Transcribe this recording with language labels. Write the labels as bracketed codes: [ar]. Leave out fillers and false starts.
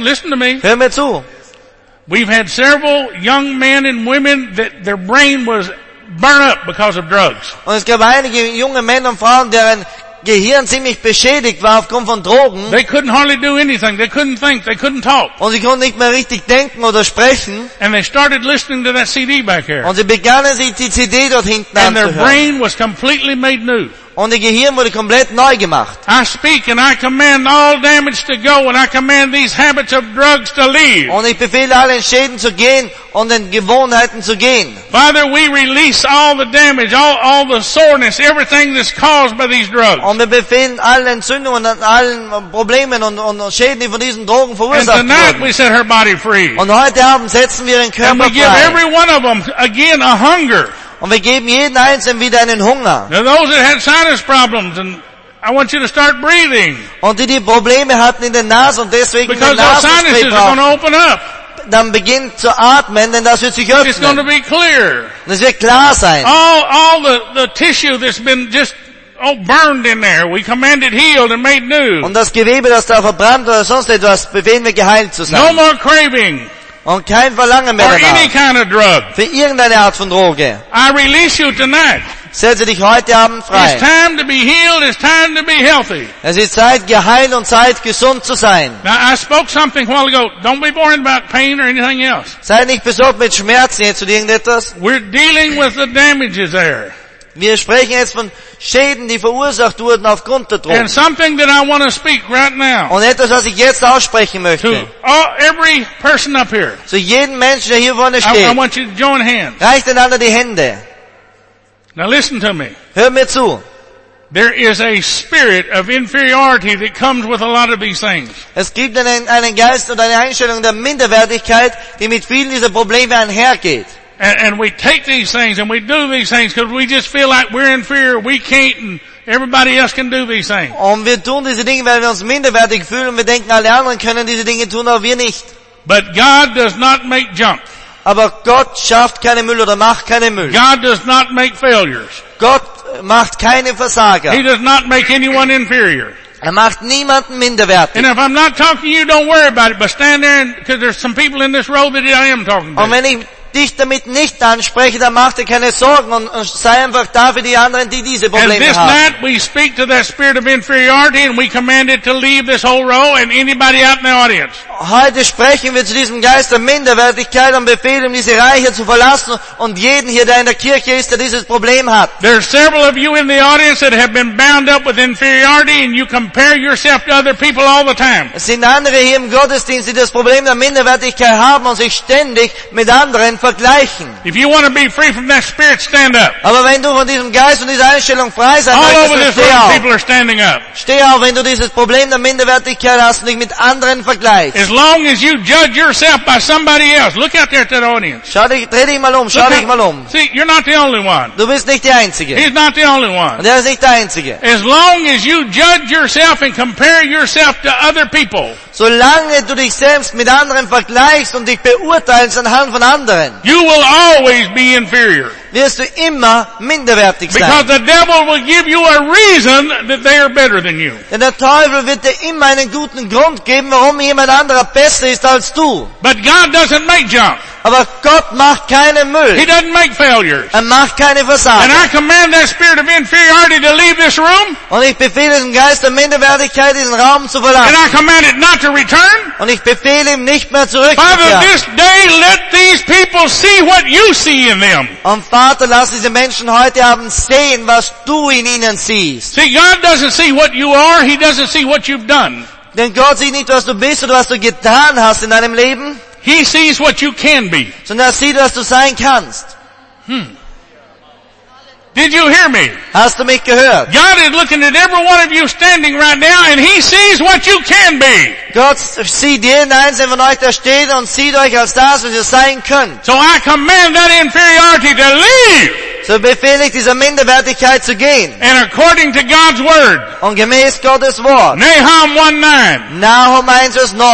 [en] Listen to me. [de] Hör mir zu. [en] We've had several young men and women that their brain was burn up because of drugs. [de] Und es gab einige junge Männer und Frauen, deren Gehirn ziemlich beschädigt war aufgrund von Drogen. [en] They couldn't hardly do anything. They couldn't think. They couldn't talk. [de] Und sie konnten nicht mehr richtig denken oder sprechen. [en] And they started listening to that CD back here. [de] Und sie begannen sich die CD dort hinten anzuhören. [en] And their brain was completely made new. [de] Und ihr Gehirn wurde komplett neu gemacht. [en] I speak and I command all damage to go and I command these habits of drugs to leave. [de] Und ich befehle allen Schäden zu gehen und den Gewohnheiten zu gehen. [en] Father, we release all the damage, all the soreness, everything that's caused by these drugs. [de] Und wir befehlen allen Entzündungen und allen Problemen und Schäden, die von diesen Drogen verursacht wurden. [en] And tonight we set her body free. [de] Und heute Abend setzen wir ihren Körper frei. [en] And we give every one of them again a hunger. [de] Und wir geben jeden Einzelnen wieder einen Hunger. [en] Now those that had sinus problems, and I want you to start breathing. [de] Und die Probleme hatten in der Nase und deswegen [en] because [de] in der Nasenspray [en] Because our sinuses are going to open up. [de] Dann beginnt zu atmen, denn das wird sich öffnen. [en] It's going to be clear. [de] Und es wird klar sein. [en] All the tissue that's been just burned in there, we commanded healed and made new. [de] Und das Gewebe, das da verbrannt oder sonst etwas, befehlen wir geheilt zu sein. [en] No more craving. [de] Und kein Verlangen mehr danach. [en] Any kind of drug. [de] Für irgendeine Art von Droge. [en] I release you tonight. [de] Setze dich heute Abend frei. [en] It's time to be healed, it's time to be healthy. [de] Es ist Zeit, geheilt und Zeit, gesund zu sein. [en] Now, I spoke something a while ago. Don't be worried about pain or anything else. [de] Sei nicht besorgt mit Schmerzen jetzt oder irgendetwas. [en] We're dealing with the damages there. [de] Wir sprechen jetzt von Schäden, die verursacht wurden aufgrund der Drogen. [en] And something that I want to speak right now. [de] Und etwas, was ich jetzt aussprechen möchte. [en] To all, every person up here. [de] Zu jedem Menschen, der hier vorne steht. [en] I want you to join hands. [de] Reicht einander die Hände. [en] Now listen to me. [de] Hör mir zu. [en] There is a spirit of inferiority that comes with a lot of these things. [de] Es gibt einen Geist oder eine Einstellung der Minderwertigkeit, die mit vielen dieser Probleme einhergeht. [en] And we take these things and we do these things because we just feel like we're inferior, we can't, and everybody else can do these things. [de] Und wir tun diese Dinge, weil wir uns minderwertig fühlen und wir denken, alle anderen können diese Dinge tun, aber wir nicht. [en] But God does not make junk. [de] Aber Gott schafft keine Müll oder macht keine Müll. [en] God does not make failures. [de] Gott macht keine Versager. [en] He does not make anyone inferior. [de] Er macht niemanden minderwertig. [en] And if I'm not talking to you, don't worry about it, but stand there because there's some people in this row that I am talking to. [de] Dich damit nicht anspreche, dann mach dir keine Sorgen und sei einfach da für die anderen, die diese Probleme haben. Heute sprechen wir zu diesem Geist der Minderwertigkeit und befehlen ihm, diese Reihe zu verlassen und jeden hier, der in der Kirche ist, der dieses Problem hat. [en] There are several of you in the audience that have been bound up with inferiority and you compare yourself to other people all the time. [de] Es sind andere hier im Gottesdienst, die das Problem der Minderwertigkeit haben und sich ständig mit anderen [en] If you want to be free from that spirit, stand up. [de] Aber wenn du von diesem Geist und dieser Einstellung frei sein möchtest, [en] all over this room, people are standing up. [de] Steh auf, wenn du dieses Problem der Minderwertigkeit hast und dich mit anderen vergleichst. [en] As long as you judge yourself by somebody else, look out there at that audience. [de] Schau dich mal um. [en] See, you're not the only one. [de] Du bist nicht der Einzige. [en] He's not the only one. [de] Und er ist nicht der Einzige. [en] As long as you judge yourself and compare yourself to other people. [de] Solange du dich selbst mit anderen vergleichst und dich beurteilst anhand von anderen, [en] you will always be inferior. [de] Wirst du immer minderwertig sein. [en] Because the devil will give you a reason that they are better than you. [de] Denn der Teufel wird dir immer einen guten Grund geben, warum jemand anderer besser ist als du. [en] But God doesn't make junk. [de] Aber Gott macht keinen Müll. [en] He doesn't make failures. [de] Er macht keine Versagen. [en] And I command that spirit of inferiority to leave this room. [de] Und ich befehle dem Geist der Minderwertigkeit, diesen Raum zu verlassen. [en] And I command it not to return. [de] Und ich befehle ihm nicht mehr zurückzukehren. [en] Father, this day let these people see what you see in them. [de] Und Vater, lass diese Menschen heute Abend sehen, was du in ihnen siehst. [en] See, God doesn't see what you are. He doesn't see what you've done. [de] Denn Gott sieht nicht, was du bist oder was du getan hast in deinem Leben. [en] He sees what you can be. [de] Sondern sieht, was du sein kannst. [en] Did you hear me? [de] Hast du mich gehört? [en] God is looking at every one of you standing right now, and He sees what you can be. [de] Gott sieht jeden einzelnen von euch, der steht, und sieht euch als das, was ihr sein könnt. [en] So I command that inferiority to leave. [de] So befehle ich dieser Minderwertigkeit zu gehen. [en] And according to God's word. [de] Und gemäß Gottes Wort. [en] Nahum 1:9. [de] Nahum 1:9.